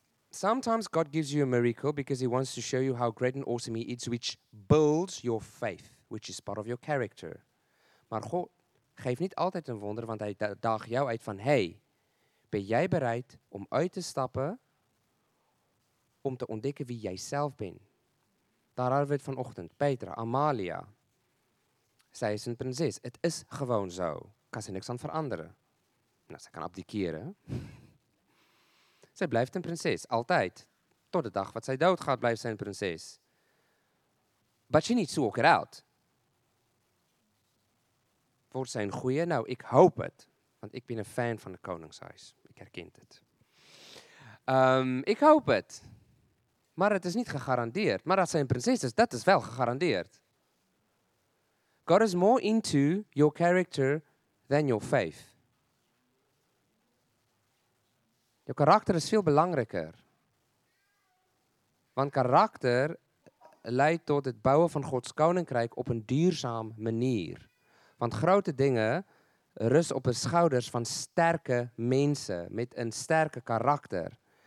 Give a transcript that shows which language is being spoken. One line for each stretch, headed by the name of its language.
English: Sometimes God gives you a miracle because he wants to show you how great and awesome he is, which builds your faith, which is part of your character.
Dutch: Maar God geeft niet altijd een wonder, want hij daagt jou uit van, hey, ben jij bereid om uit te stappen om te ontdekken wie jij zelf bent? Daar hadden we het vanochtend. Petra, Amalia, zij is een prinses. Het is gewoon zo. Kan ze niks aan veranderen. Nou, ze kan abdikeren. Zij blijft een prinses, altijd. Tot de dag wat zij doodgaat, blijft zij een prinses.
English: But she needs to walk it out.
Dutch: Wordt zij een goeie? Nou, ik hoop het. Want ik ben een fan van het koningshuis. Ik herken het. Ik hoop het. Maar het is niet gegarandeerd. Maar dat zij een prinses is, dat is wel gegarandeerd.
English: God is more into your character than your faith.
Dutch: Je karakter is veel belangrijker. Want karakter leidt tot het bouwen van Gods koninkrijk op een duurzaam manier. Want grote dingen rusten op de schouders van sterke mensen met een sterke karakter.